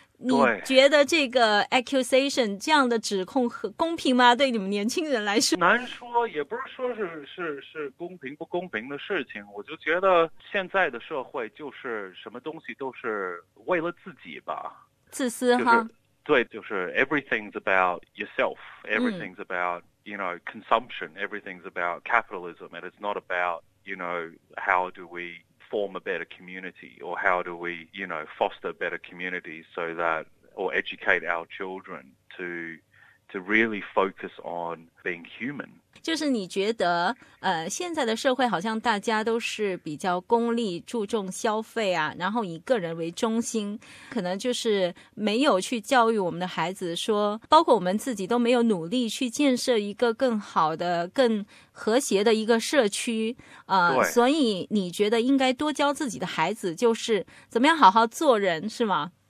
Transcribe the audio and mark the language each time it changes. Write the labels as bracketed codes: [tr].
[zh] 你觉得这个 accusation 这样的指控和公平吗？对你们年轻人来说，难说，也不是说是公平不公平的事情。我就觉得现在的社会就是什么东西都是为了自己吧，自私、就是、哈。对，就是 [en] everything's about yourself, everything's about you know consumption, everything's about capitalism, and it's not about you know how do we form a better community or how do we you know foster better communities so that or educate our children to really focus on being human. [zh] 就是你觉得现在的社会好像大家都是比较功利，注重消费啊，然后以个人为中心，可能就是没有去教育我们的孩子说，包括我们自己都没有努力去建设一个更好的更和谐的一个社区所以你觉得应该多教自己的孩子就是怎么样好好做人是吗？